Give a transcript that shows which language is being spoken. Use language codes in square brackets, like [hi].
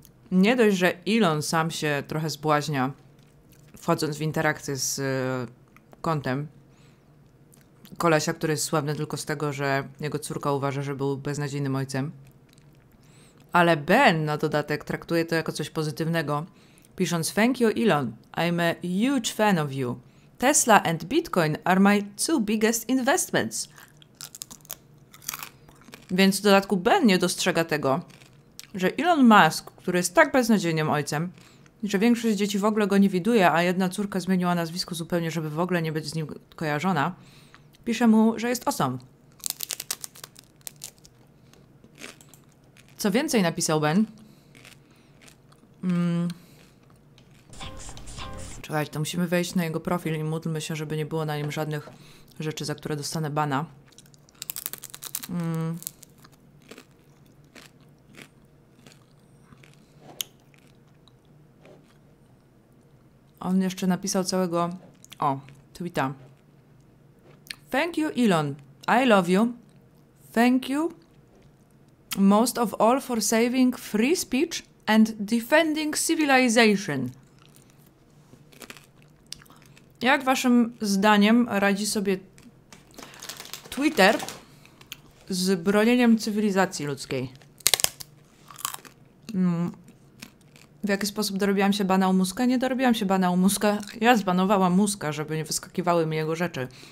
[pl] Nie dość, że Elon sam się trochę zbłaźnia, wchodząc w interakcję z kontem kolesia, który jest sławny tylko z tego, że jego córka uważa, że był beznadziejnym ojcem. Ale Ben na dodatek traktuje to jako coś pozytywnego, pisząc: [en] Thank you, Elon. I'm a huge fan of you. Tesla and Bitcoin are my two biggest investments. [pl] Więc w dodatku Ben nie dostrzega tego, że Elon Musk, który jest tak beznadziejnym ojcem, że większość dzieci w ogóle go nie widuje, a jedna córka zmieniła nazwisko zupełnie, żeby w ogóle nie być z nim kojarzona, pisze mu, że jest awesome. Co więcej napisał Ben? Czekajcie, to musimy wejść na jego profil i módlmy się, żeby nie było na nim żadnych rzeczy, za które dostanę bana. On jeszcze napisał całego... O, tweeta. [en] Thank you, Elon. I love you. Thank you most of all for saving free speech and defending civilization. [pl] Jak waszym zdaniem radzi sobie Twitter z bronieniem cywilizacji ludzkiej? W jaki sposób dorobiłam się bana u Muska? Nie dorobiłam się bana u Muska. Ja zbanowałam Muska, żeby nie wyskakiwały mi jego rzeczy.